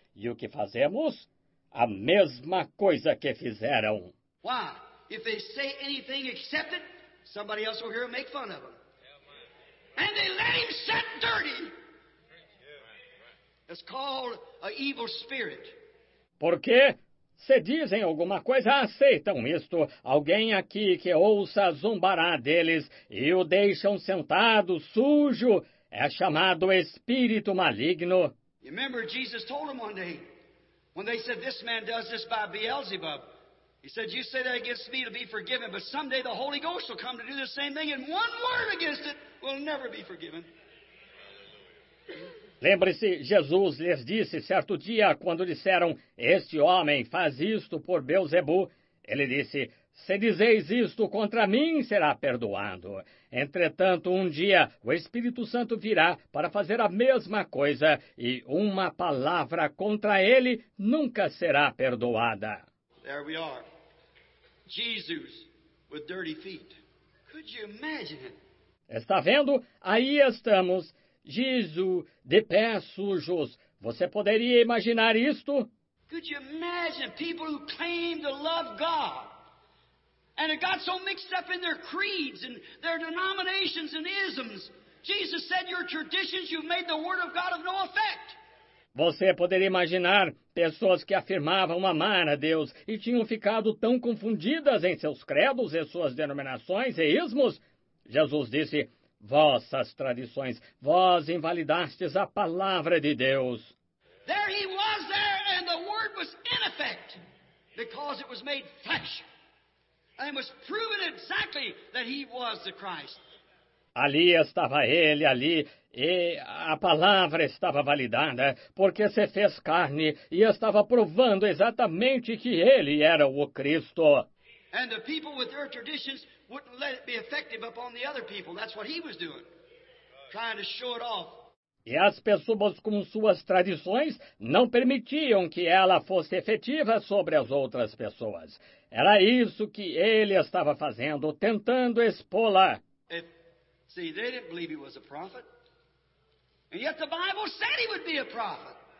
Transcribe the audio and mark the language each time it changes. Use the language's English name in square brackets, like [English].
[Portuguese] E o que fazemos? A mesma coisa que fizeram. [English] Why? If they say anything except it, somebody else will hear them make fun of them. And they let him sit dirty. It's called an evil spirit. [Portuguese] Porque se dizem alguma coisa, aceitam isto. Alguém aqui que ouça zombará deles e o deixam sentado, sujo, é chamado espírito maligno. [English] You remember Jesus told them one day, when they said, this man does this by Beelzebub. He said, you say that against me, it'll be forgiven, but someday the Holy Ghost will come to do the same thing, and one word against it will never be forgiven. [Portuguese] Lembre-se, Jesus lhes disse certo dia, quando disseram, este homem faz isto por Beelzebub, ele disse, se dizeis isto contra mim, será perdoado. Entretanto, um dia, o Espírito Santo virá para fazer a mesma coisa, e uma palavra contra ele nunca será perdoada. [English] There we are. Jesus with dirty feet. Could you imagine it? [Portuguese] Está vendo? Aí estamos. Jesus, de pés sujos. Você poderia imaginar isto? [English] Could you imagine people who claim to love God? And it got so mixed up in their creeds and their denominations and isms. Jesus said, your traditions, you've made the word of God of no effect. [Portuguese] Você poderia imaginar pessoas que afirmavam amar a Deus e tinham ficado tão confundidas em seus credos e suas denominações e ismos? Jesus disse, vossas tradições, vós invalidastes a palavra de Deus. [English] There he was there, and the word was in effect, because it was made flesh. And it was proven exactly that he was the Christ. [Portuguese] Ali estava ele, ali, e a palavra estava validada, porque se fez carne e estava provando exatamente que ele era o Cristo. [English] And the people with their traditions wouldn't let it be effective upon the other people. That's what he was doing, trying to show it off. [Portuguese] E as pessoas com suas tradições não permitiam que ela fosse efetiva sobre as outras pessoas. Era isso que ele estava fazendo, tentando expô-la. [English] See, they didn't believe he was a prophet. And yet the Bible said he would be a prophet.